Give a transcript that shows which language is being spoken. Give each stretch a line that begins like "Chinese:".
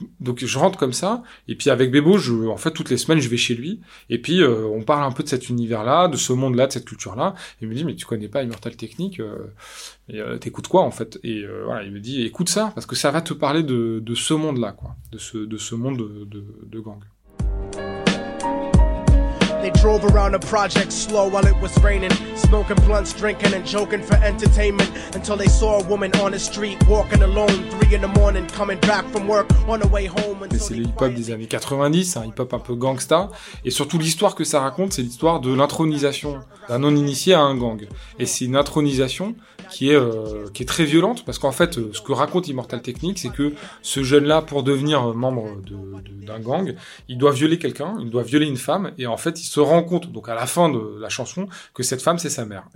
French: Donc je rentre comme ça. Et puis avec Bebo, en fait, toutes les semaines, je vais chez lui. Et puis, on parle un peu de cet univers-là, de ce monde-là, de cette culture-là. Et il me dit, mais tu connais pas Immortal Technique t'écoutes quoi, en fait? Et voilà, il me dit, écoute ça, parce que ça va te parler de ce monde-là, quoi. De ce monde de gangs.
English: They drove around the project slow while it was raining, smoking blunts, drinking and joking for entertainment, until they saw a woman on the street walking alone, 3 in the morning, coming back from work on the way home.
French: Mais c'est le hip-hop des années 90, un hip-hop un peu gangsta, et surtout l'histoire que ça raconte, c'est l'histoire de l'intronisation d'un non-initié à un gang. Et c'est une intronisation qui est très violente, parce qu'en fait, ce que raconte Immortal Technique, c'est que ce jeune-là, pour devenir membre d'un gang, il doit violer quelqu'un, il doit violer une femme, et en fait, il se rend compte, donc à la fin de la chanson, que cette femme, c'est sa mère.